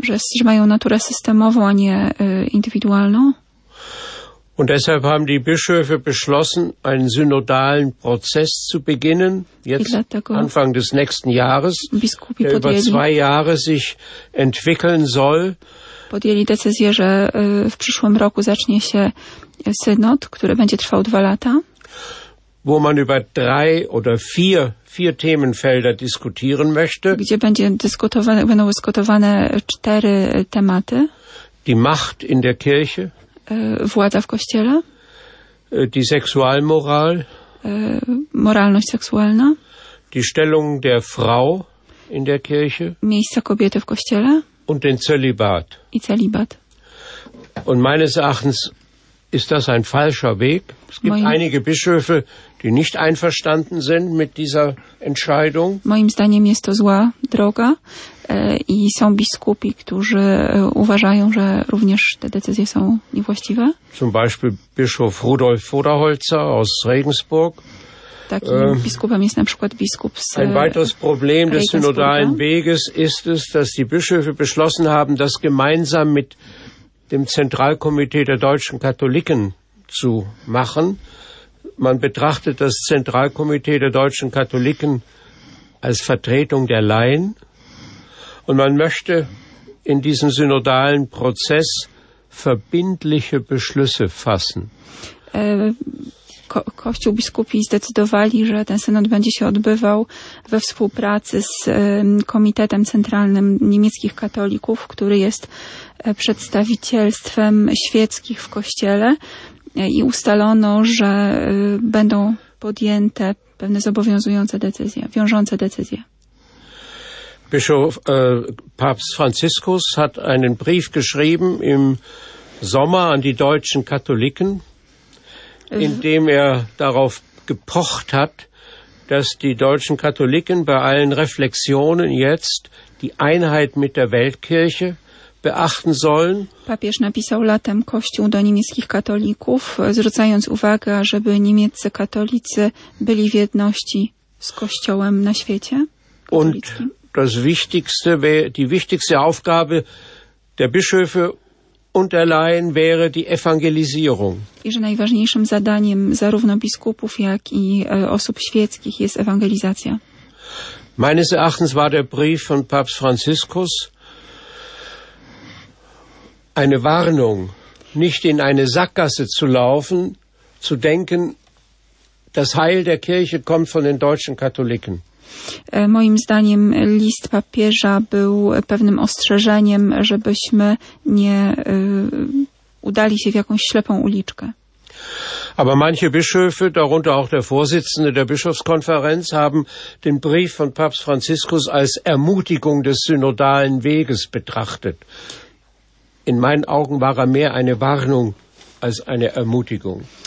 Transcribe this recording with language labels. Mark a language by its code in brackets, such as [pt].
[pl] Że mają naturę systemową, a nie indywidualną. [de] Und deshalb haben die Bischöfe beschlossen, einen synodalen Prozess zu beginnen, jetzt Anfang des nächsten Jahres, der über 2 Jahre sich entwickeln soll. [pl] Podjęli decyzję, że w przyszłym roku zacznie się synod, który będzie trwał 2 lata. [de] Wo man über 3 oder 4 Themenfelder diskutieren möchte. [pl] Gdzie będą dyskutowane 4 tematy. [de] Die Macht in der Kirche. [pl] Władza w Kościele. [de] Die Sexualmoral. [pl] Moralność seksualna. [de] Die Stellung der Frau in der Kirche. [pl] Miejsce kobiety w Kościele. [de] Und den Zölibat. [pl] I Zölibat. [de] Und meines Erachtens ist das ein falscher Weg. Es gibt einige Bischöfe, die nicht einverstanden sind mit dieser Entscheidung. [pl] Moim zdaniem jest to zła droga. I są biskupi, którzy uważają, że również te decyzje są niewłaściwe. [de] Zum Beispiel Bischof Rudolf Voderholzer aus Regensburg. [pl] Takim biskupem jest na przykład biskup z [de] Ein weiteres Problem des synodalen Weges ist es, dass die Bischöfe beschlossen haben, das gemeinsam mit dem Zentralkomitee der deutschen Katholiken zu machen. Man betrachtet das Zentralkomitee der deutschen Katholiken als Vertretung der Laien. Und man möchte in diesem synodalen Prozess verbindliche Beschlüsse fassen. [pl] Kościół biskupi zdecydowali, że ten synod będzie się odbywał we współpracy z Komitetem Centralnym Niemieckich Katolików, który jest przedstawicielstwem świeckich w Kościele i ustalono, że będą podjęte pewne zobowiązujące decyzje, wiążące decyzje. [de] Bischof, Papst Franziskus hat einen Brief geschrieben im Sommer an die deutschen Katholiken, in dem er darauf gepocht hat, dass die deutschen Katholiken bei allen Reflexionen jetzt die Einheit mit der Weltkirche beachten sollen. [pl] Papież napisał latem Kościół do niemieckich katolików, zwracając uwagę, żeby niemieccy katolicy byli w jedności z Kościołem na świecie. Katolickim. [de] Und das wichtigste, die wichtigste Aufgabe der Bischöfe und der Laien wäre die Evangelisierung. [pl] I że najważniejszym zadaniem zarówno biskupów, jak i osób świeckich jest ewangelizacja. [de] Meines Erachtens war der Brief von Papst Franziskus eine Warnung, nicht in eine Sackgasse zu laufen, zu denken, das Heil der Kirche kommt von den deutschen Katholiken. [pl] Moim zdaniem list papieża był pewnym ostrzeżeniem, żebyśmy nie udali się w jakąś ślepą uliczkę. [de] Aber manche Bischöfe, darunter auch der Vorsitzende der Bischofskonferenz, haben den Brief von Papst Franziskus als Ermutigung des synodalen Weges betrachtet. In meinen Augen war er mehr eine Warnung als eine Ermutigung.